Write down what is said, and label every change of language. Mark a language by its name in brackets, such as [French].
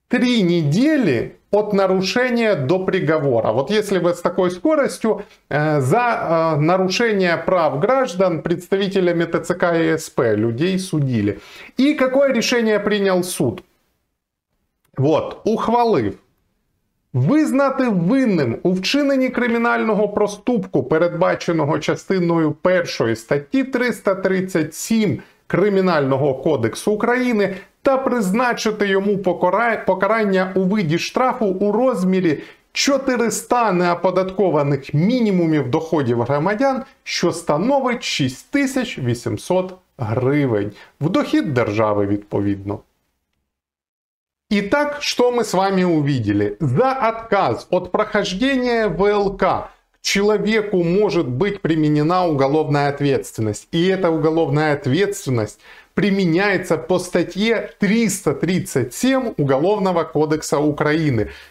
[Russian] 3 недели от нарушения до приговора. Вот если бы с такой скоростью нарушение прав граждан представителями ТЦК и СП людей судили. И какое решение принял суд? [Ukrainian] Вот, ухвалив. Визнати винним у вчиненні кримінального проступку, передбаченого частиною 1 статті 337 Кримінального кодексу України, та призначити йому покарання у виді штрафу у розмірі 400 неоподаткованих мінімумів доходів громадян, що становить 6800 гривень в дохід держави відповідно. [Russian] Итак, что мы с вами увидели? За отказ от прохождения ВЛК к человеку может быть применена уголовная ответственность. И эта уголовная ответственность применяется по статье 337 Уголовного кодекса Украины.